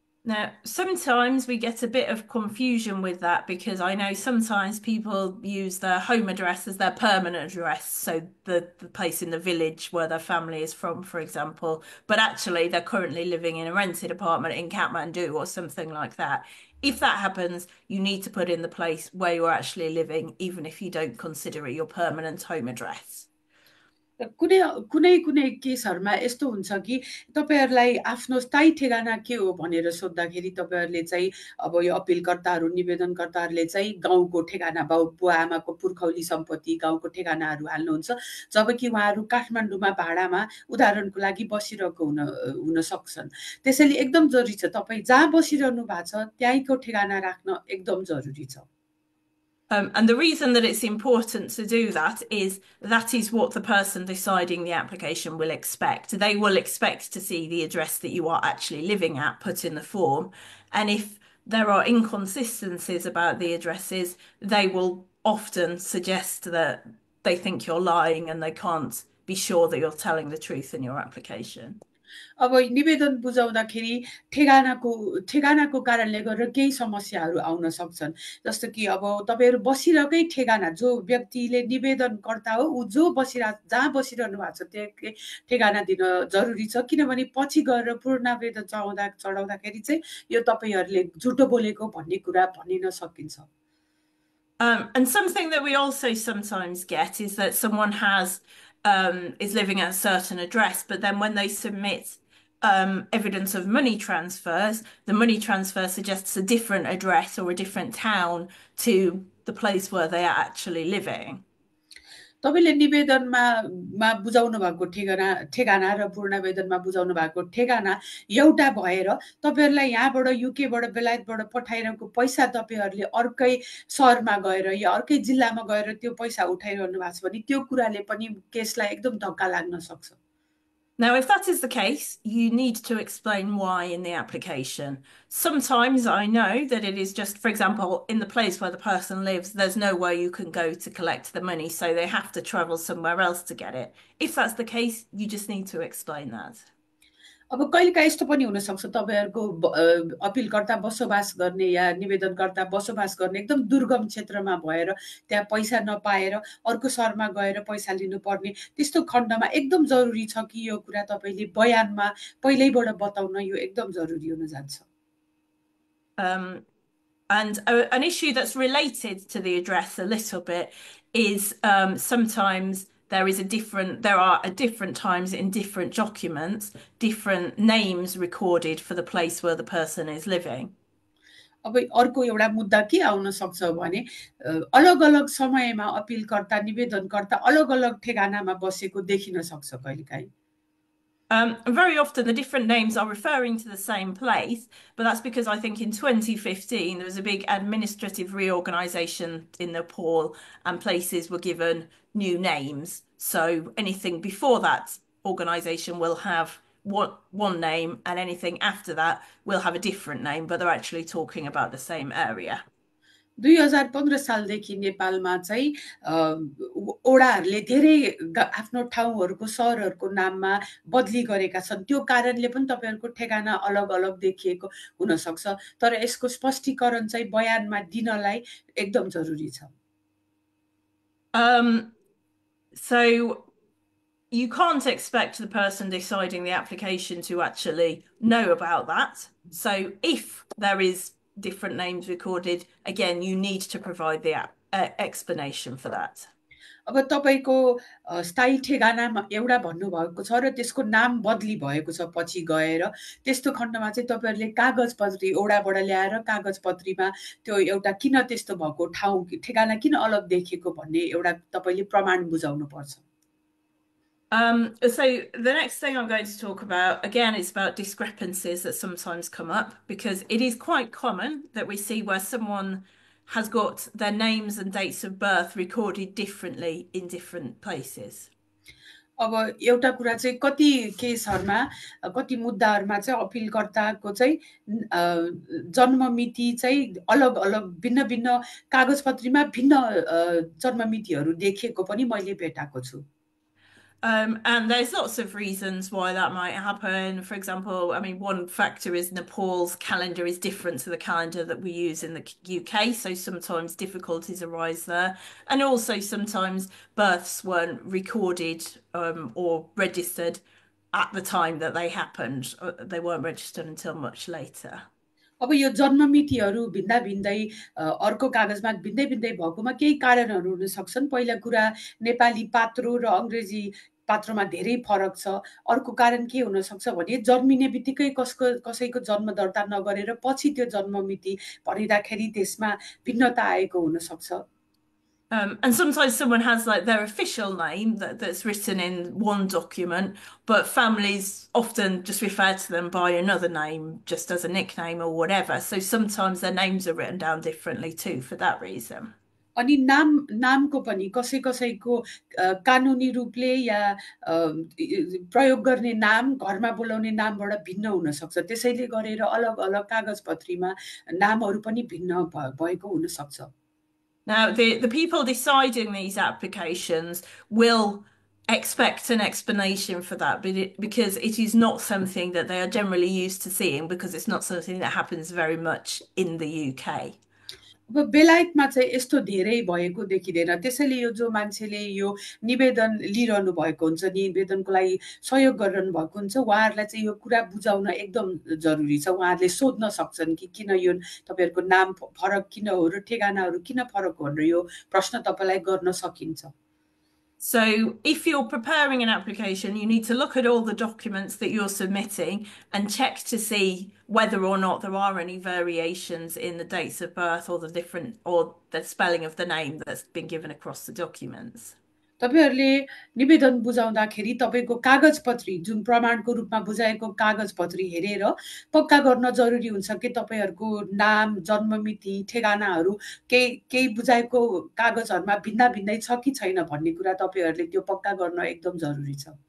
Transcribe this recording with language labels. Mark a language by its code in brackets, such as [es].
[en] Now, sometimes we get a bit of confusion with that because I know sometimes people use their home address as their permanent address, so the place in the village where their family is from, for example, but actually they're currently living in a rented apartment in Kathmandu or something like that. If that happens, you need to put in the place where you're actually living, even if you don't consider it your permanent home address. [ne] कुनै कुनै केसहरूमा यस्तो हुन्छ कि तपाईँहरूलाई आफ्नो स्थायी ठेगाना के हो भनेर सोद्धाखेरि तपाईँहरूले चाहिँ, अब यो अपिलकर्ताहरू, निवेदनकर्ताहरूले चाहिँ गाउँको ठेगाना, बाउ बुवा आमाको पुर्खौली सम्पत्ति, गाउँको ठेगानाहरू हाल्नुहुन्छ, जबकि उहाँहरू काठमाडौँमा भाडामा उदाहरणको लागि बसिरहेको हुन सक्छन्। त्यसैले एकदम जरुरी छ तपाईँ जहाँ बसिरहनु भएको छ त्यहीँको ठेगाना राख्न एकदम जरुरी छ। [en] And the reason that it's important to do that is what the person deciding the application will expect. They will expect to see the address that you are actually living at put in the form. And if there are inconsistencies about the addresses, they will often suggest that they think you're lying and they can't be sure that you're telling the truth in your application. [ne] अब निवेदन बुझाउँदाखेरि ठेगानाको कारणले गर्दा केही समस्याहरू आउन सक्छन्। जस्तो कि अब तपाईँहरू बसिरहेकै ठेगाना, जो व्यक्तिले निवेदनकर्ता हो ऊ जो बसिरह जहाँ बसिरहनु भएको छ त्यहाँकै ठेगाना दिन जरुरी छ, किनभने पछि गएर पुनरावेदन चढाउँदाखेरि चाहिँ यो तपाईँहरूले झुटो बोलेको भन्ने कुरा भनिन सकिन्छ। [en] And something that we also sometimes get is that someone has is living at a certain address, but then when they submit evidence of money transfers, the money transfer suggests a different address or a different town to the place where they are actually living. [ne] तपाईँले निवेदनमा बुझाउनु भएको ठेगाना र पूर्णावेदनमा बुझाउनु भएको ठेगाना एउटा भएर तपाईँहरूलाई यहाँबाट युकेबाट बेलायतबाट पठाइरहेको पैसा तपाईँहरूले अर्कै सहरमा गएर या अर्कै जिल्लामा गएर त्यो पैसा उठाइरहनु भएको छ भने त्यो कुराले पनि केसलाई एकदम धक्का लाग्न सक्छ। [en] Now, if that is the case, you need to explain why in the application. Sometimes I know that it is just, for example, in the place where the person lives, there's nowhere you can go to collect the money, so they have to travel somewhere else to get it. If that's the case, you just need to explain that. [ne] अब कहिलेकाहीँ यस्तो पनि हुनसक्छ तपाईँहरूको अपिलकर्ता बसोबास गर्ने या निवेदनकर्ता बसोबास गर्ने एकदम दुर्गम क्षेत्रमा भएर त्यहाँ पैसा नपाएर अर्को सहरमा गएर पैसा लिनुपर्ने त्यस्तो खण्डमा एकदम जरुरी छ कि यो कुरा तपाईँले बयानमा पहिल्यैबाट बताउन यो एकदम जरुरी हुन जान्छ। [en] An issue that's related to the address a little bit is sometimes there are different times in different documents, different names recorded for the place where the person is living. [ne] अब अर्को एउटा मुद्दा के आउन सक्छ भने अलग अलग समयमा अपिलकर्ता निवेदनकर्ता अलग अलग ठेगानामा बसेको देखिन सक्छ कहिलेकाहीँ। [en] Very often the different names are referring to the same place, but that's because I think in 2015 there was a big administrative reorganisation in Nepal and places were given new names. So anything before that organisation will have one name and anything after that will have a different name, but they're actually talking about the same area. [ne] 2015 सालदेखि नेपालमा चाहिँ ओडाहरूले धेरै आफ्नो ठाउँहरूको सहरहरूको नाममा बदली गरेका छन्, त्यो कारणले पनि तपाईँहरूको ठेगाना अलग अलग देखिएको हुनसक्छ, तर यसको स्पष्टीकरण चाहिँ बयानमा दिनलाई एकदम जरुरी छ। [en] So you can't expect the person deciding the application to actually know about that. So if there is different names recorded, again, you need to provide the explanation for that. [ne] अब तपाईँको स्थायी ठेगानामा एउटा भन्नुभएको छ र त्यसको नाम बदली भएको छ पछि गएर, त्यस्तो खण्डमा चाहिँ तपाईँहरूले कागजपत्री ओडाबाट ल्याएर कागजपत्रीमा त्यो एउटा किन त्यस्तो भएको ठाउँ ठेगाना किन अलग देखेको भन्ने एउटा तपाईँले प्रमाण बुझाउनु पर्छ। [en] So the next thing I'm going to talk about, again, is about discrepancies that sometimes come up, because it is quite common that we see where someone has got their names and dates of birth recorded differently in different places. [ne] अब एउटा कुरा चाहिँ कति केसहरूमा कति मुद्दाहरूमा चाहिँ अपिलकर्ताको चाहिँ जन्ममिति चाहिँ अलग अलग भिन्न भिन्न कागजपत्रीमा भिन्न जन्ममितिहरू देखिएको पनि मैले भेटाएको छु। [en] And there's lots of reasons why that might happen. For example, I mean, one factor is Nepal's calendar is different to the calendar that we use in the UK. So sometimes difficulties arise there. And also sometimes births weren't recorded or registered at the time that they happened. They weren't registered until much later. [ne] अब यो जन्ममितिहरू भिन्दा भिन्दै अर्को कागजमा भिन्दै भिन्दै भएकोमा केही कारणहरू हुनसक्छन्। पहिला कुरा नेपाली पात्रो र अङ्ग्रेजी पात्रमा धेरै फरक छ। अर्को कारण के हुनसक्छ भने जन्मिने बित्तिकै कसैको जन्म दर्ता नगरेर पछि त्यो जन्ममिति भनिँदाखेरि त्यसमा भिन्नता आएको हुनसक्छ। [en] And sometimes someone has like their official name that's written in one document, but families often just refer to them by another name, just as a nickname or whatever. So sometimes their names are written down differently too for that reason. [ne] अनि नामको पनि कसै कसैको कानुनी रूपले या प्रयोग गर्ने नाम घरमा बोलाउने नामबाट भिन्न हुनसक्छ, त्यसैले गरेर अलग अलग कागजपत्रीमा नामहरू पनि भिन्न भएको हुनसक्छ। [en] Now, the people deciding these applications will expect an explanation for that, but because it is not something that they are generally used to seeing, because it's not something that happens very much in the UK. [ne] अब बेलायतमा चाहिँ यस्तो धेरै भएको देखिँदैन, त्यसैले यो जो मान्छेले यो निवेदन लिइरहनु भएको हुन्छ, निवेदनको लागि सहयोग गरिरहनु भएको हुन्छ, उहाँहरूलाई चाहिँ यो कुरा बुझाउन एकदम जरुरी छ. उहाँहरूले सोध्न सक्छन् कि किन यो तपाईँहरूको नाम फरक किन हो र ठेगानाहरू किन फरक हो, र यो प्रश्न तपाईँलाई गर्न सकिन्छ. [en] So if you're preparing an application, you need to look at all the documents that you're submitting and check to see whether or not there are any variations in the dates of birth or the different or the spelling of the name that's been given across the documents. [ne] तपाईँहरूले निवेदन बुझाउँदाखेरि तपाईँको कागजपत्री, जुन प्रमाणको रूपमा बुझाएको कागजपत्री हेरेर पक्का गर्न जरुरी हुन्छ कि तपाईँहरूको नाम, जन्म मिति, ठेगानाहरू केही केही बुझाएको कागजहरूमा भिन्ना भिन्नै छ कि छैन भन्ने कुरा तपाईँहरूले त्यो पक्का गर्न एकदम जरुरी छ.